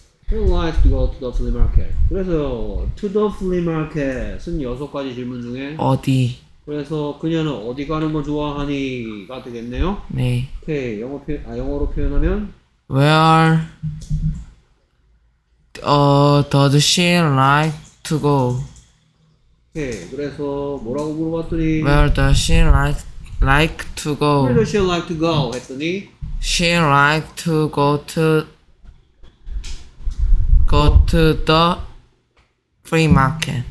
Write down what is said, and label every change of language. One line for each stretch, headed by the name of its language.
English: She likes to go to the flea market.
Korean: 그래서
English: to the flea market
Korean: 은 여섯 가지 질문 중에 어디? 그래서 그녀는 어디 가는 걸 좋아하니가 되겠네요. 네. 오케이. 영어로 표현하면
English: Where does she like to go?
Korean: 오케이. 그래서 뭐라고 물어봤더니
English: Where does she like to go? Where does she like to go?
Korean: 했더니
English: She like to go to the flea market.